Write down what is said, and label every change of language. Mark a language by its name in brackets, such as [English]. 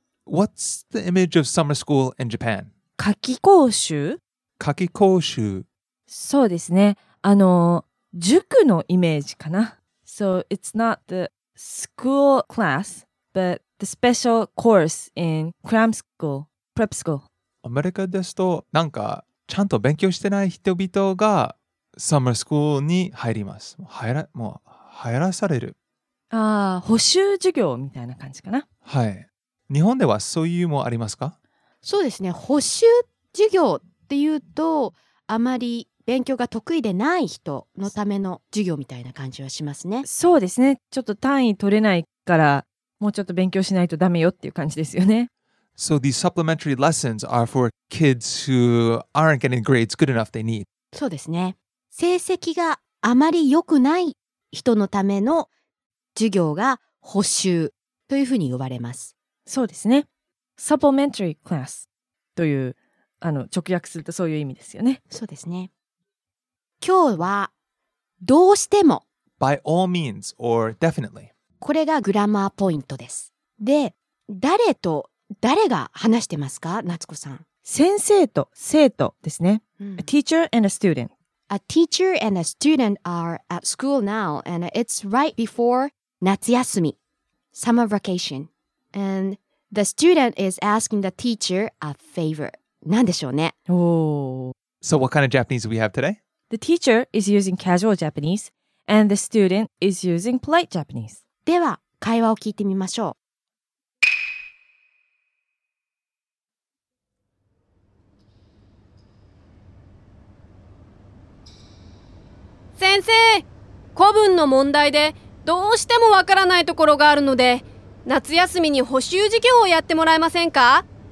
[English] What's the image of summer school in Japan? [Japanese] 夏期講習？夏期講習。そうですね。塾のイメージかな。 [English] So, it's not the school class. But the special course in cram school, prep school. [Japanese] アメリカですと、なんかちゃんと勉強してない人々がサマースクールに入ります。もう入らされる。ああ、補習授業みたいな感じかな。はい。日本ではそういうもありますか？そうですね。補習授業っていうと、あまり勉強が得意でない人のための授業みたいな感じはしますね。そうですね。ちょっと単位取れないから、もうちょっと勉強しないとダメよっていう感じですよね。 [English] So these supplementary lessons are for kids who aren't getting grades good enough they need. [Japanese] そうですね。成績があまり良くない人のための授業が補習というふうに呼ばれます。そうですね。 Supplementary class という直訳するとそういう意味ですよね。そうですね。今日はどうしても。 [English] By all means or definitely. [Japanese] これがグラマーポイントです。で、誰と誰が話してますか、夏子さん。先生と生徒ですね。 A teacher and a student. [English] A teacher and a student are at school now, and it's right before 夏休み summer vacation. And the student is asking the teacher a favor. [Japanese] 何でしょうね。 [English] So what kind of Japanese do we have today? The teacher is using casual Japanese, and the student is using polite Japanese. [Japanese] では、会話を聞いてみましょう。先生、古文の問題でどうしてもわからないところがあるので、夏休みに補習授業をやってもらえませんか？